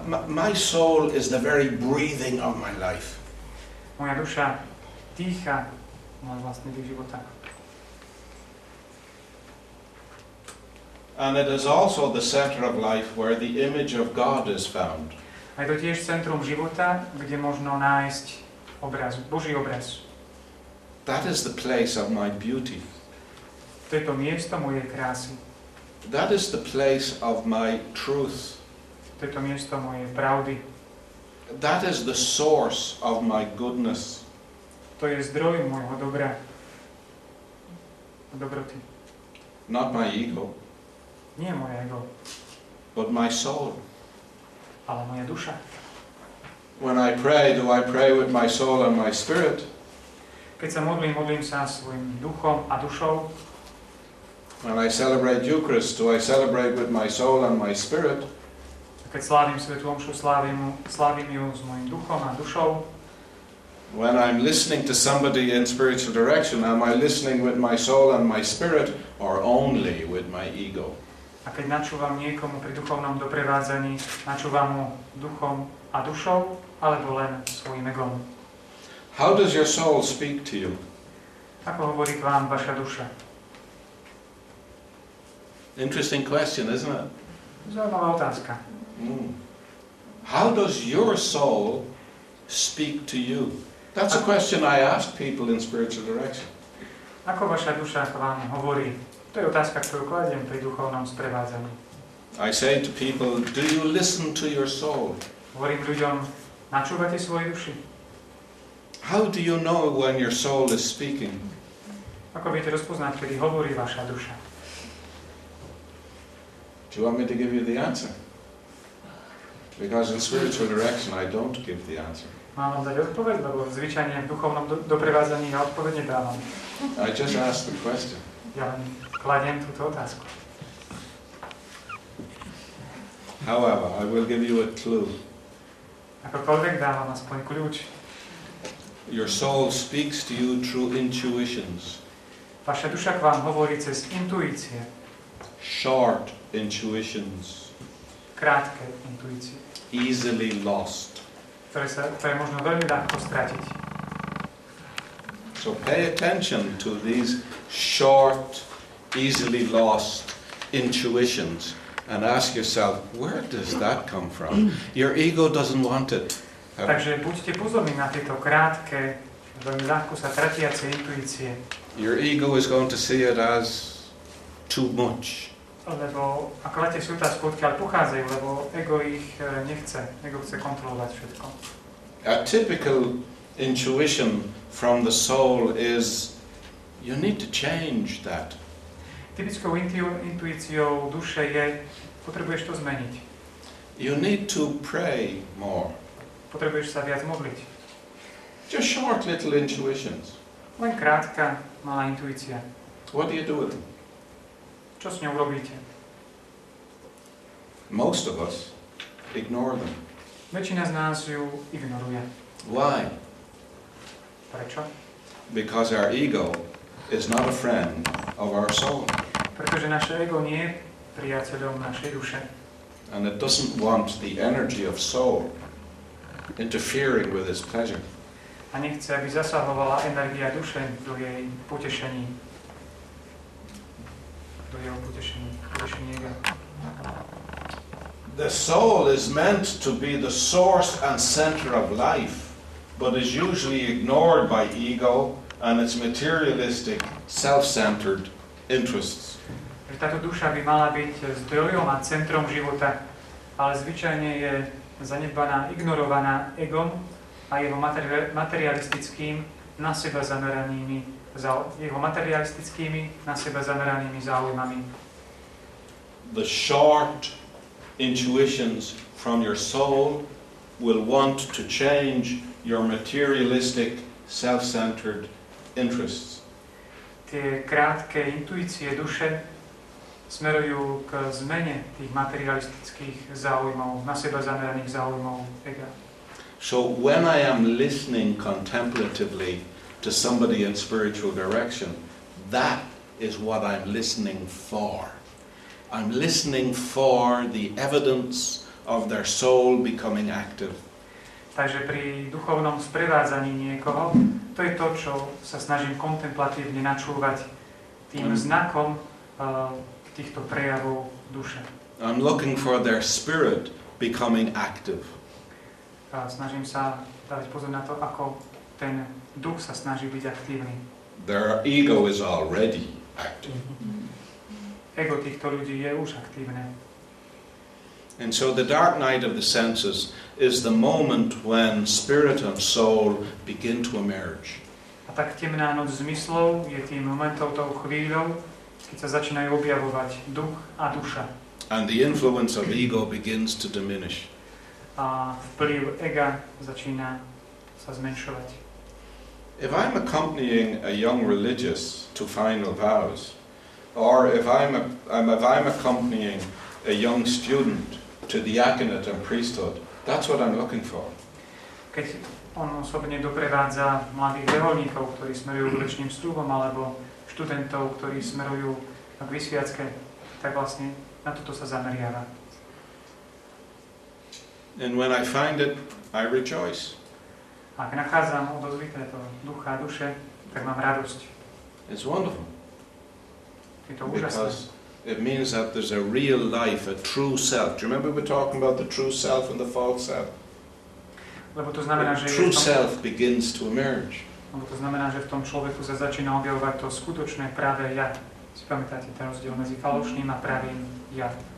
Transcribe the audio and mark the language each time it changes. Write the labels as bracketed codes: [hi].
[en] My soul is the very breathing of my life. [sk] Moja duša dýcha môj vlastný dých života. [en] And it is also the center of life where the image of God is found. [sk] A je to tiež centrum života, kde možno nájsť obraz, Boží obraz. [en] That is the place of my beauty. [sk] To je to miesto mojej krásy. [en] That is the place of my truth. [sk] To je to miesto mojej pravdy. [en] That is the source of my goodness. [sk] To je zdroj mojho dobra. Dobroty. [en] Not my ego. [sk] Nie moje ego. [en] But my soul. [sk] Ale moja duša. [en] When I pray, do I pray with my soul and my spirit? [sk] Keď sa modlím, modlím sa svojim duchom a dušou. [en] When I celebrate Eucharist, do I celebrate with my soul and my spirit? [sk] Keď slávim Svetú omšu, slávim ju s mojim duchom a dušou. [en] When I'm listening to somebody in spiritual direction, am I listening with my soul and my spirit or only with my ego? [sk] A keď načúvam niekomu pri duchovnom doprevádzaní, načúvam mu duchom a dušou, alebo len svojim egom. [en] How does your soul speak to you? [sk] Ako hovorí k vám vaša duša? [en] Interesting question, isn't it? [sk] Zaujímavá otázka. [en] How does your soul speak to you? That's a question I ask people in spiritual direction. [sk] Ako vaša duša k vám hovorí? To je otázka, ktorú kladiem pri duchovnom sprevádzaní. [en] I say to people, do you listen to your soul? [sk] Hovorím ľuďom, načúvate svojej duši? [en] How do you know when your soul is speaking? [sk] Ako viete rozpoznať, kedy hovorí vaša duša? [en] Do you want me to give you the answer? Because in spiritual direction I don't give the answer. [sk] Mám vám dať odpoveď, lebo zvyčajne v duchovnom doprevádzaní ja odpoveď nedávam. [en] I just ask the question. [sk] Ja len kladiem túto otázku. [en] However, I will give you a clue. [sk] Akokoľvek dávam aspoň kľúč. [en] Your soul speaks to you through intuitions. [sk] Vaša duša k vám hovorí cez intuície. [en] Short intuitions. [sk] Krátke intuície. [en] Easily lost. [sk] Ktoré možno veľmi ľahko stratiť. [en] So pay attention to these short, easily lost intuitions. And ask yourself, where does that come from? Your ego doesn't want it. [sk] Takže buďte pozorní na tieto krátke, veľmi ľahko sa tratiace intuície. Your ego is going to see it as too much. Lebo, a kladete si otázku, odkiaľ pochádzajú, lebo ego ich nechce. Ego chce kontrolovať všetko. [en] A typical intuition from the soul is, you need to change that. [sk] Typickou intuíciou duše je, potrebuješ to zmeniť. [en] You need to pray more. [sk] Potrebuješ sa viac modliť. [en] Just short little intuitions. [sk] Len krátka, malá intuícia. [en] What do you do with them? [sk] Čo s ňou robíte? [en] Most of us ignore them. [sk] Väčšina z nás ju ignoruje. [en] Why? [sk] Prečo? [en] Because our ego is not a friend of our soul. [sk] Pretože naše ego nie je priateľom našej duše. [en] And it doesn't want the energy of soul interfering with its pleasure. [sk] A nechce, aby zasahovala energia duše do jej potešení. Do jeho potešení ega. [en] The soul is meant to be the source and center of life, but is usually ignored by ego and its materialistic, self-centered interests. [sk] Táto duša by mala byť zdrojom a centrom života, ale zvyčajne je zanedbaná, ignorovaná egom a jeho materialistickým na seba zameranými záujmami. [en] The short intuitions from your soul will want to change your materialistic self-centered interests. [sk] Tie krátke intuície duše smerujú k zmene tých materialistických záujmov, na seba zameraných záujmov ega. [en] So when I am listening contemplatively to somebody in spiritual direction, that is what I'm listening for. I'm listening for the evidence of their soul becoming active. [sk] Takže pri duchovnom sprevádzaní niekoho, to je to, čo sa snažím kontemplatívne načúvať tým znakom týchto prejavov duše. [en] I'm looking for their spirit becoming active. [sk] A snažím sa dávať pozor na to, ako ten duch sa snaží byť aktívny. [en] Their ego is already active. [sk] Ego týchto ľudí je už aktívne. [en] And so the dark night of the senses is the moment when spirit and soul begin to emerge. [sk] A tak temná noc zmyslov je tým momentom, tou chvíľou, keď sa začínajú objavovať duch a duša. [en] And the influence of ego begins to diminish. [sk] A vplyv ega začína sa zmenšovať. [en] If I'm accompanying a young religious to final vows, or if I'm accompanying a young student to diaconate and priesthood, that's what I'm looking for. [sk] Keď on osobne doprevádza mladých reholníkov, ktorí smerujú k večným stúbom, alebo študentov, ktorí smerujú k vysviacke, tak vlastne na toto sa zameriava. [en] And when I find it, I rejoice. [sk] Ak nachádzam odozvy tejto ducha a duše, tak mám radosť. [en] It's wonderful. [sk] Je to úžasné. [en] It means that there's a real life, a true self. Do you remember we're talking about the true self and the false self? [sk] Lebo to znamená, že [en] true self begins to emerge. [sk] Lebo to znamená, že v tom človeku sa začína objavovať to skutočné pravé ja. Si pamätáte ten rozdiel medzi falošným a pravým ja?